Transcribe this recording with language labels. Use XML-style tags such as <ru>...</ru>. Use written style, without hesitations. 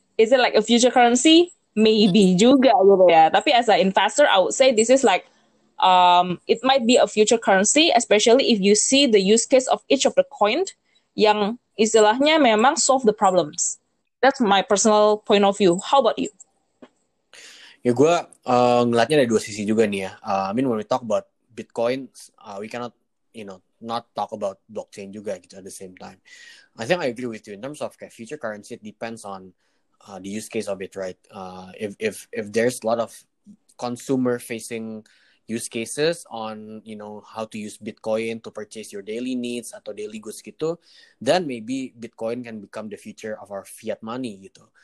<en>Is it like a future currency? Maybe</en> <id>juga gitu ya.</id> <en>Tapi as an investor, I would say this is like, it might be a future currency, especially if you see the use case of each of the coin</en> <id>yang istilahnya memang</id> <en>solve the problems. That's my personal point of view. How about you?</en> <id>Ya, gue ngelihatnya dari dua sisi juga nih ya.</id> <en>When we talk about Bitcoin, we cannot, you know, not talk about blockchain</en> <id>juga gitu</id> <en>at the same time. I think I agree with you in terms of future currency. It depends on the use case of it, right? If there's a lot of consumer facing use cases on, you know, how to use Bitcoin to purchase your daily needs atau daily goods gitu, then maybe Bitcoin can become the future of our fiat money gitu.</en>